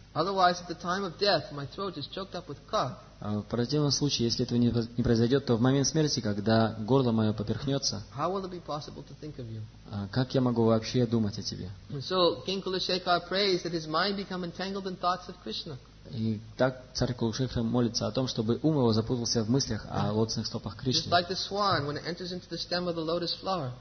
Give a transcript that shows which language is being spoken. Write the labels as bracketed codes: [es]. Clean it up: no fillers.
[en] Otherwise, at the time of death, my throat is choked up with cough. [ru] В противном случае, если этого не произойдет, то в момент смерти, когда горло мое поперхнется, [en] how will it be possible to think of you? [ru] Как я могу вообще думать о тебе? [en] So King Kulushekara prays that his mind become entangled in thoughts of Krishna. [ru] И так царь Кулушекара молится о том, чтобы ум его запутался в мыслях о лотосных стопах Кришны. [en] Just like the swan when it enters into the stem of the lotus flower.